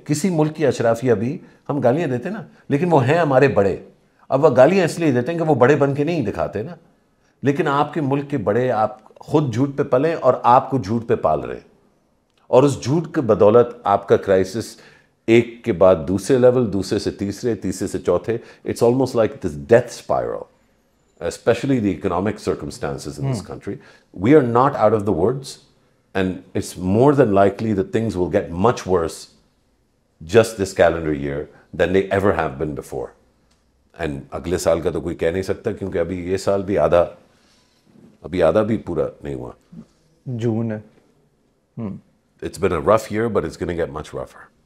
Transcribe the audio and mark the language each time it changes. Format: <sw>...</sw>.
<ur>کسی ملک کی اشرافیہ بھی, ہم گالیاں دیتے ہیں نا, لیکن وہ ہیں ہمارے بڑے. اب وہ گالیاں اس لیے دیتے ہیں کہ وہ بڑے بن کے نہیں دکھاتے نا. لیکن آپ کے ملک کے بڑے آپ خود جھوٹ پہ پلیں اور آپ کو جھوٹ پہ پال رہے ہیں, اور اس جھوٹ کے بدولت آپ کا کرائسس ایک کے بعد دوسرے لیول, دوسرے سے تیسرے, تیسرے سے چوتھے.</ur> <en>It's almost like this death spiral, especially the economic circumstances in this country. We are not out of the words and it's more than likely the things will get much worse just this calendar year then they ever have been before.</en> <ur>And اگلے سال کا تو کوئی کہہ نہیں سکتا کیونکہ ابھی یہ سال بھی آدھا بھی پورا نہیں ہوا. جون ہے.</ur> <en>It's been a rough year, but it's going to get much rougher.</en>